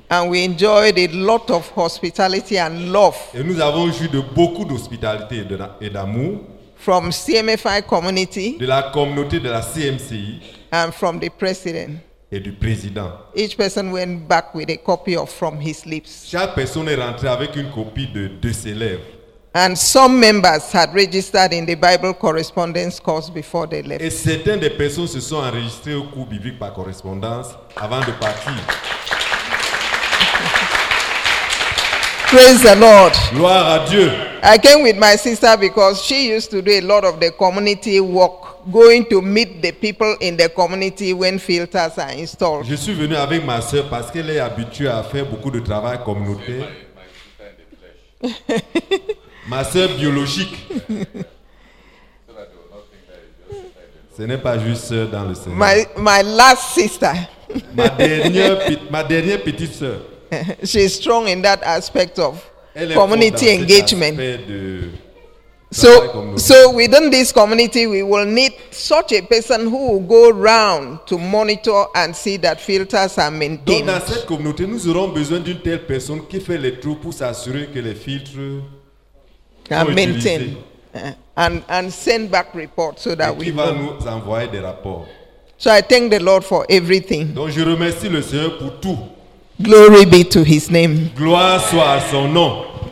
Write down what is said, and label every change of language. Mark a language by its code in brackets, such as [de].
[en] And we enjoyed a lot of hospitality and love. [fr] Et nous avons joué de beaucoup d'hospitalité et d'amour. [en] From CMFI community. [fr] De la communauté de la CMCI. [en] And from the president. [fr] Et du président. [en] Each person went back with a copy of From His Lips. [fr] Chaque personne est rentrée avec une copie de ses lèvres. [en] And some members had registered in the Bible correspondence course before they left. [fr] Et certaines des personnes se sont enregistrées au cours biblique par correspondance avant de partir. [en] Praise the Lord. [fr] Gloire à Dieu. [en] I came with my sister because she used to do a lot of the community work, going to meet the people in the community when filters are installed. [fr] Je suis venu avec ma sœur parce qu'elle est habituée à faire beaucoup de travail communautaire. Ma sœur biologique. Ce n'est pas juste sœur dans le Seigneur. [en] My last sister. [fr] ma dernière petite sœur. [en] She's strong in that aspect of community engagement. So within this community, we will need such a person who will go round to monitor and see that filters are maintained. [fr] Donc dans cette communauté, nous aurons besoin d'une telle personne qui fait les trous pour s'assurer que les filtres [en] and maintain and send back reports so that we [fr] will nous envoyer des rapports. [en] So I thank the Lord for everything. [fr] Donc je remercie le Seigneur pour tout. [en] Glory be to his name. [fr] Gloire soit à son nom.